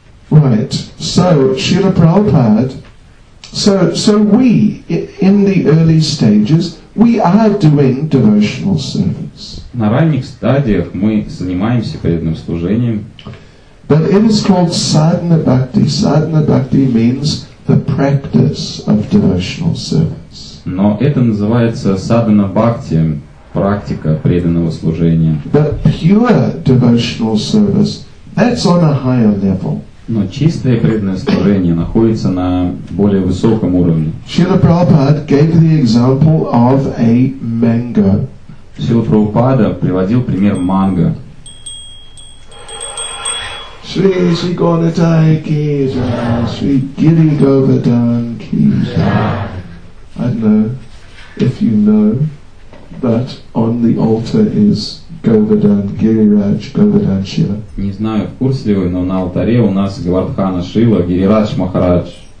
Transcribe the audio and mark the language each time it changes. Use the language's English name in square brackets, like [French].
[English] Right. So, Srila Prabhupada, so we, in the early stages, we are doing devotional service. [Russian] На ранних стадиях мы занимаемся преданным служением. [English] But it is called sadhana bhakti. Sadhana bhakti means the practice of devotional service. [Russian] Но это называется sadhana bhakti, практика преданного служения. [English] But pure devotional service, that's on a higher level. [Russian] Но чистое преданное служение находится на более высоком уровне. [English] Srila Prabhupada gave the example of a mango. [Russian] Srila Prabhupada приводил пример манго. [Hindi] Shri Shri Gaudataya Ki Jai, Shri Giri Govardhan Ki Jai. [English] I don't know if you know, but on the altar is Govardhan Giriraj Govardhan Shila. [Russian] Не знаю, в курсе ли вы, но на алтаре у нас Говардхана Шрила Гирирадж Махарадж.